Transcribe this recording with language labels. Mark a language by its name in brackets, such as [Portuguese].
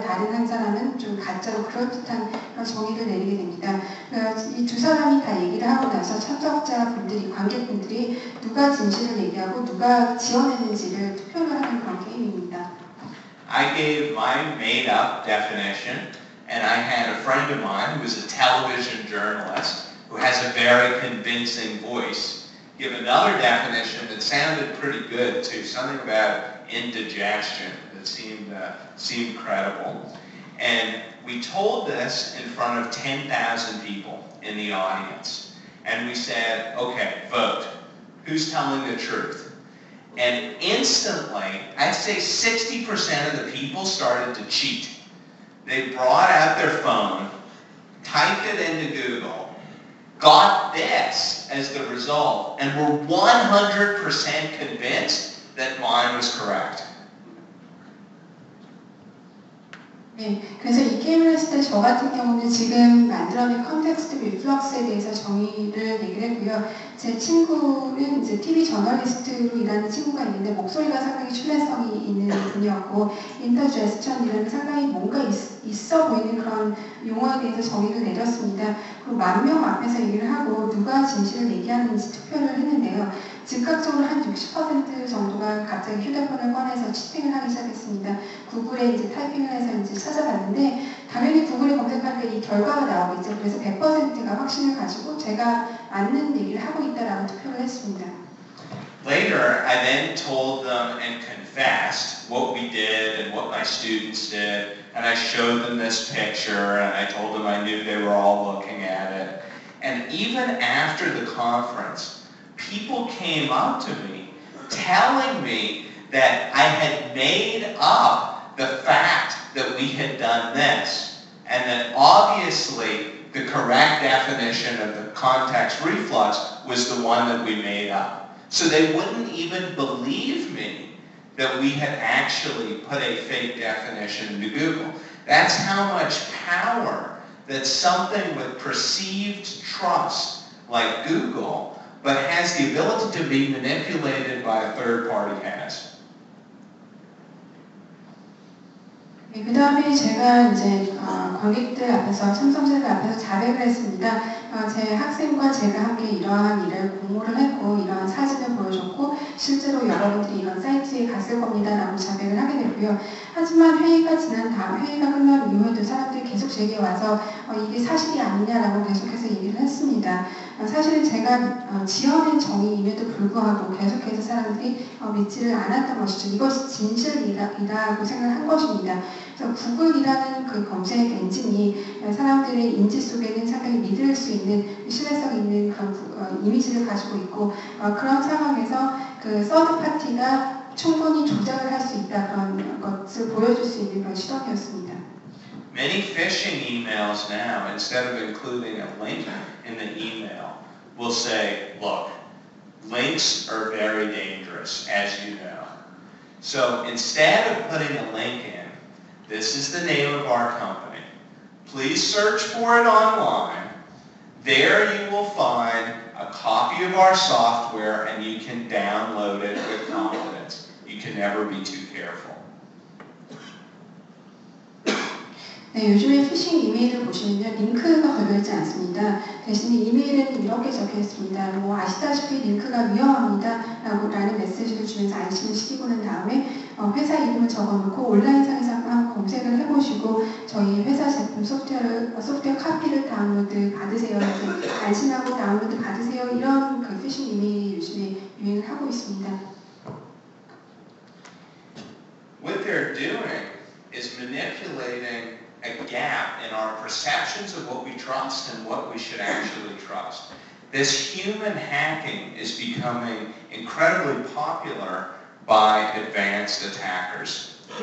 [Korean] 다른 한 사람은 좀 가짜로 그럴듯한 정의를 내리게 됩니다. 이 두 사람이 다 얘기를 하고 나서 참석자분들이, 관객분들이 누가 진실을 얘기하고 누가 지어냈는지를 투표를 하는 그런 게임입니다. [English] I gave my made up definition And I had a friend of mine who was a television journalist who has a very convincing voice give another definition that sounded pretty good too, something about indigestion that seemed credible. And we told this in front of 10,000 people in the audience. And we said, okay, vote. Who's telling the truth? And instantly, I'd say 60% of the people started to cheat. They brought out their phone, typed it into Google, got this as the result, and were 100% convinced that mine was correct. [Korean] 네, 그래서 이 게임을 했을 때 저 같은 경우는 지금 만들어낸 컨텍스트 리플럭스에 대해서 정의를 얘기를 했고요. 제 친구는 이제 TV 저널리스트로 일하는 친구가 있는데 목소리가 상당히 신뢰성이 있는 분이었고 인터제스천이라는 상당히 뭔가 있어 보이는 그런 용어에 대해서 정의를 내렸습니다. 그리고 만 명 앞에서 얘기를 하고 누가 진실을 얘기하는지 투표를 했는데요. 즉각적으로 한 60% 정도가 갑자기 휴대폰을 꺼내서 치팅을 하기 시작했습니다. 구글에 이제 타이핑을 해서 이제 찾아봤는데 당연히 구글에 검색할 때 이 결과가 나오고 있죠. 그래서 100%가 확신을 가지고 제가 맞는 얘기를 하고 있다라고 투표를 했습니다. [English] Later, I then told them and confessed what we did and what my students did, and I showed them this picture, and I told them I knew they were all looking at it. And even after the conference, people came up to me telling me that I had made up the fact that we had done this, and that obviously the correct definition of the context reflux was the one that we made up. So they wouldn't even believe me that we had actually put a fake definition into Google. That's how much power that something with perceived trust like Google but has the ability to be manipulated by a third party has. [Korean] 네, 그 다음에 제가 이제 관객들 앞에서 참석자들 앞에서 자백을 했습니다. 제 학생과 제가 함께 이러한 일을 공모를 했고 이러한 사진을 보여줬고 실제로 여러분들이 이런 사이트에 갔을 겁니다 라고 자백을 하게 됐고요. 하지만 회의가 지난 다음 회의가 끝난 이후에도 사람들이 계속 제게 와서 이게 사실이 아니냐라고 계속해서 얘기를 했습니다. 사실은 제가 지어낸 정의임에도 불구하고 계속해서 사람들이 믿지를 않았던 것이죠. 이것이 진실이라고 생각한 것입니다. 그래서 구글이라는 그 검색 엔진이 사람들의 인지 속에는 상당히 믿을 수 있는 신뢰성 있는 그런 이미지를 가지고 있고 그런 상황에서 그 서드 파티가 충분히 조작을 할 수 있다 그런 것을 보여줄 수 있는 그런 시도였습니다. [English] Many phishing emails now, instead of including a link in the email, will say, look, links are very dangerous, as you know. So instead of putting a link in, this is the name of our company. Please search for it online. There you will find a copy of our software, and you can download it with confidence. You can never be too careful. [Korean] 네, 요즘에 피싱 이메일을 보시면요, 링크가 걸려있지 않습니다. 대신에 이메일에는 이렇게 적혀있습니다. 뭐 아시다시피 링크가 위험합니다. 라고 라는 메시지를 주면서 안심을 시키고 난 다음에 회사 이름을 적어놓고 온라인상에서 한번 검색을 해보시고 저희 회사 제품 소프트웨어 카피를 다운로드 받으세요. 안심하고 다운로드 받으세요. 이런 그 피싱 이메일이 요즘에 유행을 하고 있습니다. [English] What they're doing is manipulating a gap in our perceptions of what we trust and what we should actually trust. This human hacking is becoming incredibly popular by advanced attackers.